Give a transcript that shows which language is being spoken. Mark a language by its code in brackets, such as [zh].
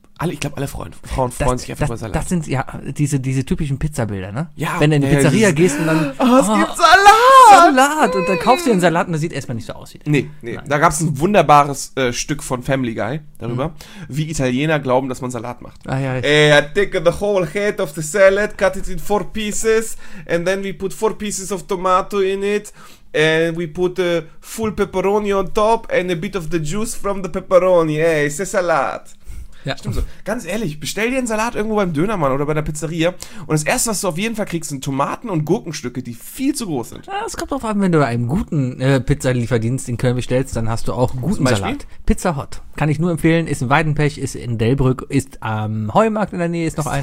[de] Ich glaube, alle Frauen freuen sich einfach über Salat. Das sind ja diese typischen Pizzabilder, ne? Ja. Wenn du in die Pizzeria gehst und dann... Oh, es gibt Salat! Salat. Und dann kaufst du den Salat und das sieht erstmal nicht so aus. Nee, nee. Nein. Da gab es ein wunderbares Stück von Family Guy darüber, wie Italiener glauben, dass man Salat macht. Ah, ja, ich [en] take the whole head of the salad, cut it in 4 pieces, and then we put 4 pieces of tomato in it, and we put a full pepperoni on top and a bit of the juice from the pepperoni. Hey, it's a salad. [de] Ja. Stimmt so. Ganz ehrlich, bestell dir einen Salat irgendwo beim Dönermann oder bei der Pizzeria und das Erste, was du auf jeden Fall kriegst, sind Tomaten und Gurkenstücke, die viel zu groß sind. Es kommt drauf an, wenn du einen guten Pizzalieferdienst in Köln bestellst, dann hast du auch guten Salat. Pizza Hot. Kann ich nur empfehlen. Ist in Weidenpech, ist in Delbrück, ist am Heumarkt in der Nähe, ist noch einer.